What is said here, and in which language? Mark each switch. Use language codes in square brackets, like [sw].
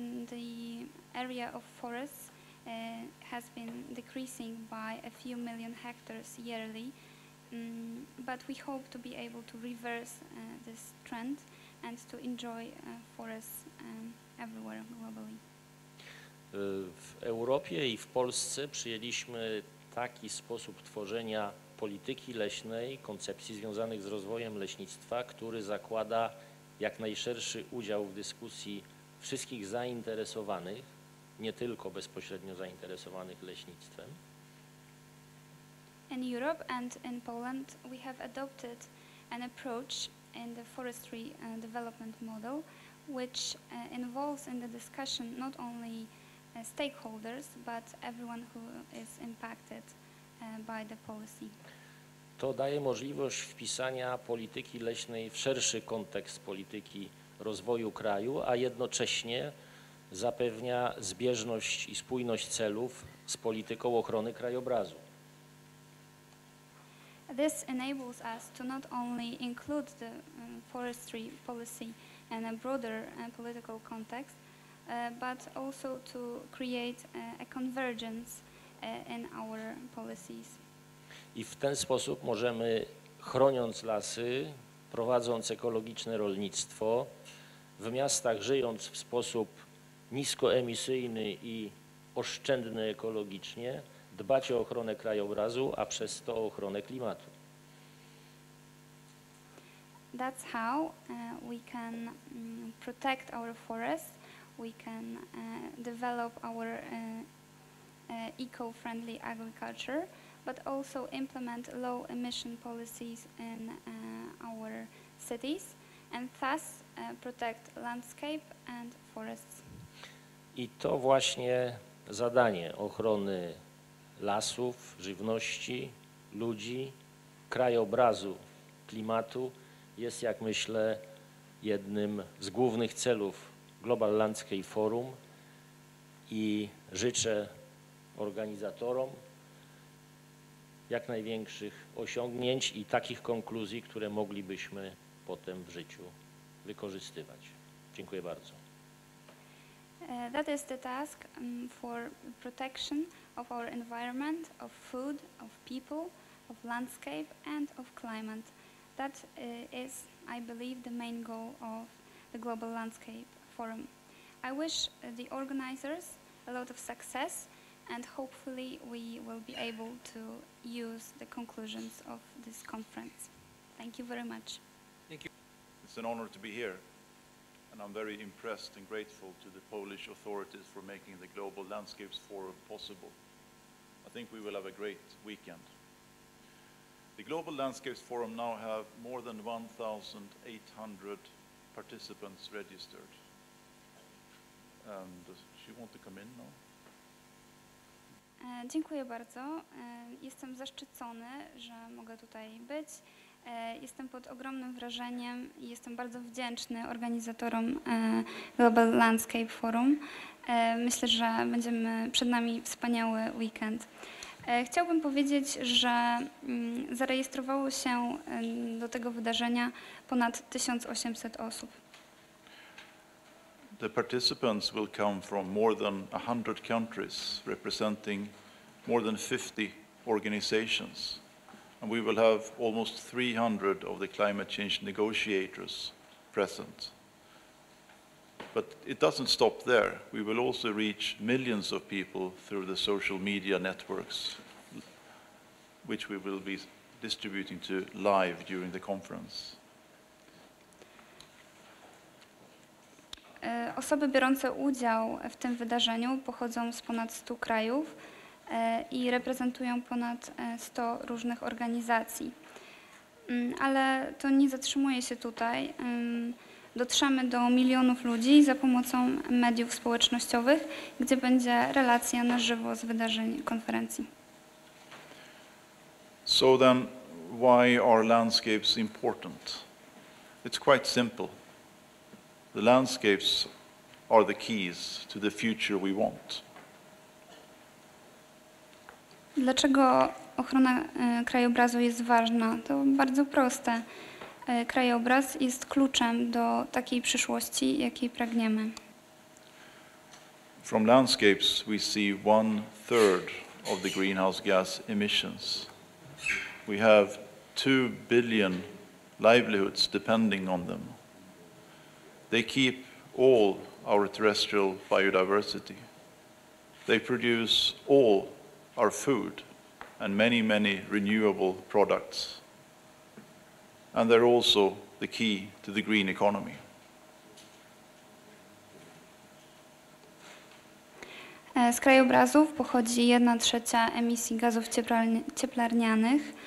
[en] The area of forests has been decreasing by a few million hectares yearly, but we hope to be able to reverse this trend and to enjoy forests everywhere globally. [pl] W Europie i w Polsce przyjęliśmy taki sposób tworzenia polityki leśnej, koncepcji związanych z rozwojem leśnictwa, który zakłada jak najszerszy udział w dyskusji wszystkich zainteresowanych, nie tylko bezpośrednio zainteresowanych leśnictwem. [en] In Europe and in Poland we have adopted an approach in the forestry development model, which involves in the discussion not only stakeholders, but everyone who is impacted by the policy. [pl] To daje możliwość wpisania polityki leśnej w szerszy kontekst polityki rozwoju kraju, a jednocześnie zapewnia zbieżność i spójność celów z polityką ochrony krajobrazu. [en] This enables us to not only include the forestry policy in a broader political context, but also to create a convergence in our policies. [pl] I w ten sposób możemy, chroniąc lasy, prowadząc ekologiczne rolnictwo, w miastach żyjąc w sposób niskoemisyjny i oszczędny ekologicznie, dbać o ochronę krajobrazu, a przez to o ochronę klimatu. [en] That's how we can protect our forests, we can develop our eco-friendly agriculture, but also implement low emission policies in our cities, and thus protect landscape and forests. [pl] I to właśnie zadanie ochrony lasów, żywności, ludzi, krajobrazu, klimatu jest, jak myślę, jednym z głównych celów Global Landscape Forum i życzę organizatorom jak największych osiągnięć i takich konkluzji, które moglibyśmy potem w życiu wykorzystywać. Dziękuję bardzo. [en] That is the task for protection of our environment, of food, of people, of landscape and of climate. That is, I believe, the main goal of the Global Landscape Forum. I wish the organizers a lot of success and hopefully we will be able to use the conclusions of this conference. Thank you very much. Thank you. It's an honor to be here. And I'm very impressed and grateful to the Polish authorities for making the Global Landscapes Forum possible. I think we will have a great weekend. The Global Landscapes Forum now have more than 1,800 participants registered. And does she want to come in now? [pl] Dziękuję bardzo. Jestem zaszczycony, że mogę tutaj być. Jestem pod ogromnym wrażeniem i jestem bardzo wdzięczny organizatorom Global Landscape Forum. Myślę, że będziemy przed nami wspaniały weekend. Chciałbym powiedzieć, że zarejestrowało się do tego wydarzenia ponad 1800 osób. [en] The participants will come from more than 100 countries representing more than 50 organizations. And we will have almost 300 of the climate change negotiators present. But it doesn't stop there. We will also reach millions of people through the social media networks, which we will be distributing to live during the conference. [pl] Osoby biorące udział w tym wydarzeniu pochodzą z ponad 100 krajów i reprezentują ponad 100 różnych organizacji. Ale to nie zatrzymuje się tutaj. Dotrzemy do milionów ludzi za pomocą mediów społecznościowych, gdzie będzie relacja na żywo z wydarzeń konferencji. [en] So then, why are landscapes important? It's quite simple. The landscapes are the keys to the future we want. [pl] Dlaczego ochrona krajobrazu jest ważna? To bardzo proste. Krajobraz jest kluczem do takiej przyszłości, jakiej pragniemy. [en] From landscapes we see 1/3 of the greenhouse gas emissions. We have 2 billion livelihoods depending on them. They keep all our terrestrial biodiversity. They produce all our food and many, many renewable products. And they're also the key to the green economy. [pl] Z krajobrazów pochodzi 1/3 emisji gazów cieplarnianych.